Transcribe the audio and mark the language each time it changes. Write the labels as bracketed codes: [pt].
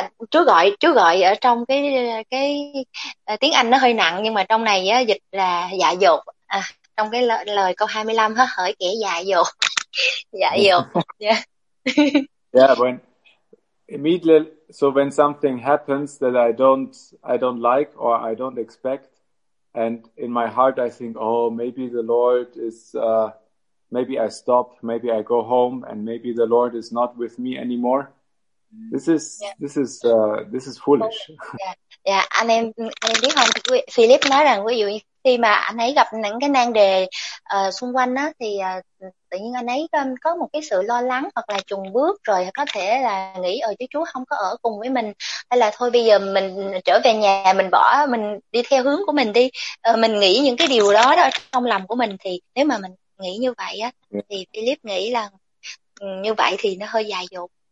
[vi] Chúa gọi ở trong cái tiếng Anh nó hơi nặng, nhưng mà trong này á, dịch là dạ dột. Trong cái lời câu 25 hết hỡi kẻ dạ dột. Dạ dột. Yeah. [en] Yeah, when immediately, so when something happens that I don't like or I don't expect, and in my heart I think, oh, maybe the Lord is maybe I stop, maybe I go home, and maybe the Lord is not with me anymore. This is foolish. [vi] Anh em biết không, Philip nói rằng ví dụ khi mà anh ấy gặp những cái nan đề xung quanh á, thì tự nhiên anh ấy có một cái sự lo lắng hoặc là chùn bước, rồi có thể là nghĩ chứ Chúa không có ở cùng với mình, hay là thôi bây giờ mình trở về nhà, mình đi theo hướng của mình đi, mình nghĩ những cái điều đó đó trong lòng của mình. Thì nếu mà mình nghĩ như vậy á, thì Philip nghĩ là như vậy thì nó hơi dài dột.